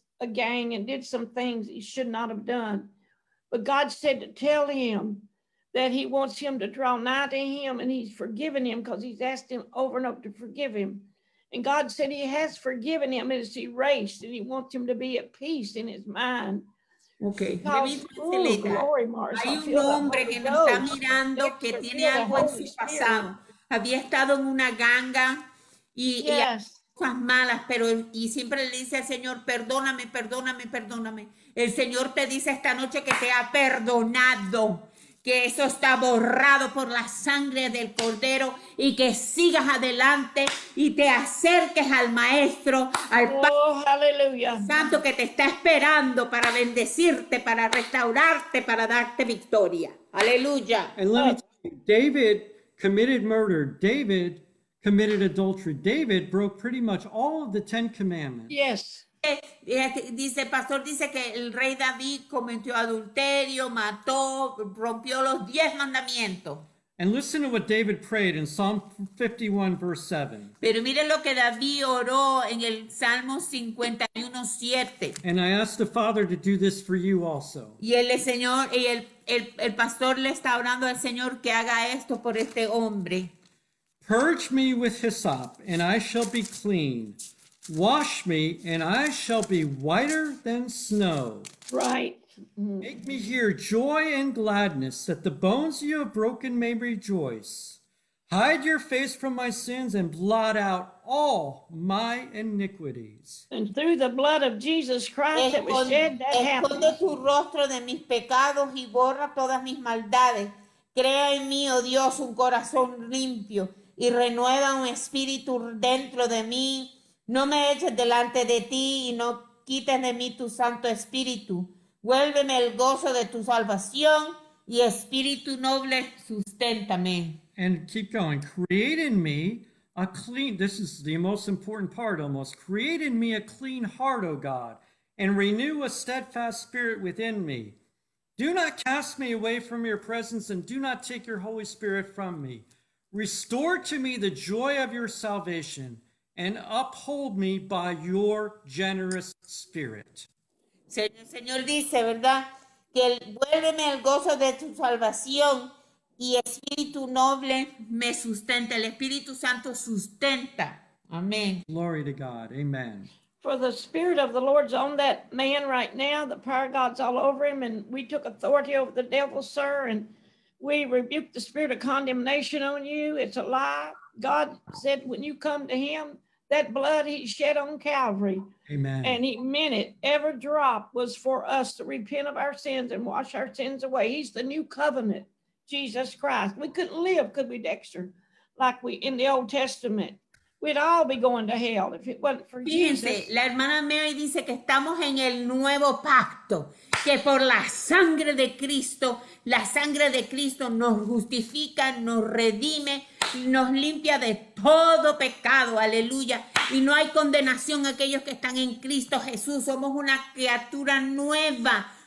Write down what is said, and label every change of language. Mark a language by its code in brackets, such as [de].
[en] a gang and did some things he should not have done. But God said to tell him that he wants him to draw nigh to him, and he's forgiven him because he's asked him over and over to forgive him. And God said he has forgiven him and it's erased, and he wants him to be at peace in his mind. Okay. Because, glory, Mars, [es] hay un hombre que nos está mirando que tiene algo en su pasado. Había estado en una ganga y cosas malas, pero y siempre le dice al Señor, perdóname, perdóname, perdóname. El Señor te dice esta noche que te ha perdonado, que eso está borrado por la sangre del Cordero, y que sigas adelante y te acerques al Maestro, al Padre, aleluya, Santo, que te está esperando para bendecirte, para restaurarte, para darte victoria. Aleluya. [en] And let me tell you, David committed murder. David committed adultery. David broke pretty much all of the Ten Commandments. Yes. [es] Dice, pastor, dice que el rey David cometió adulterio, mató, rompió los 10 mandamientos. [en] And listen to what David prayed in Psalm 51, verse 7. [es] Pero mire lo que David oró en el Salmo 51, 7. [en] And I asked the Father to do this for you also. [es] Y el Señor, y el pastor le está orando al Señor que haga esto por este hombre. [en] Purge me with hyssop, and I shall be clean. Wash me, and I shall be whiter than snow. Right. Make me hear joy and gladness, that the bones you have broken may rejoice. Hide your face from my sins and blot out all my iniquities. And through the blood of Jesus Christ that was shed, that happened. [es] Esconde tu rostro de mis pecados y borra todas mis maldades. Crea en mí, oh Dios, un corazón limpio y renueva un espíritu dentro de mí. No me eches delante de ti y no quites de mí tu santo espíritu. Vuélveme el gozo de tu salvación y espíritu noble, susténtame. [en] And keep going. Create in me a clean, this is the most important part almost. Create in me a clean heart, O God, and renew a steadfast spirit within me. Do not cast me away from your presence and do not take your Holy Spirit from me. Restore to me the joy of your salvation and uphold me by your generous spirit. [es] Señor dice, ¿verdad? Que vuélveme el gozo de tu salvación y espíritu noble me sustenta. El Espíritu Santo sustenta. Amén. [en] Glory to God. Amen. For the spirit of the Lord's on that man right now. The power of God's all over him. And we took authority over the devil, sir. And we rebuke the spirit of condemnation on you. It's a lie. God said, when you come to him, that blood he shed on Calvary. Amen. And he meant it. Every drop was for us to repent of our sins and wash our sins away. He's the new covenant, Jesus Christ. We couldn't live, could we, Dexter, like we in the Old Testament. We'd all be going to hell if it wasn't for [es] Fíjense, [en] Jesus. [es] Fíjense, la hermana Mary dice que estamos en el nuevo pacto, que por la sangre de Cristo nos justifica, nos redime, nos limpia de todo pecado, aleluya. Y no hay condenación a aquellos que están en Cristo Jesús. Somos una criatura nueva.